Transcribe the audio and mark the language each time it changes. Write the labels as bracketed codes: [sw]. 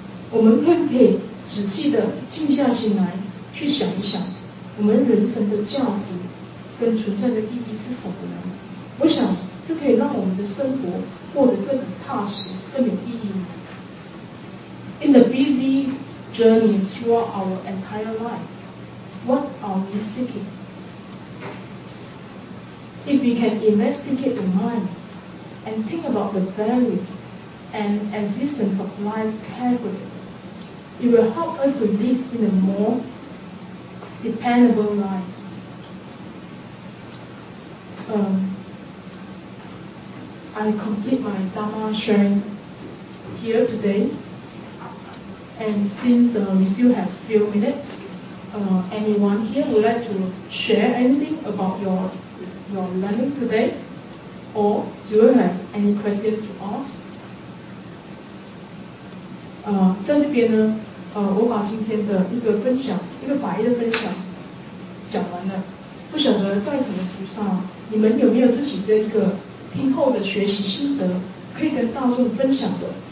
[zh] 我们可不可以仔细的静下心来去想一想，我们人生的价值跟存在的意义是什么呢？我想这可以让我们的生活过得更踏实，更有意义。 [en] In the busy journey throughout our entire life, what are we seeking? If we can investigate the mind and think about the value and existence of life carefully, it will help us to live in a more dependable life. I complete my Dharma sharing here today. And since we still have a few minutes, anyone here would like to share anything about your learning today? Or do you have any questions to ask? [zh] 在这边呢，我把今天的一个分享，一个法义的分享讲完了。不晓得在场的菩萨，你们有没有自己的一个听后的学习心得，可以跟大众分享的？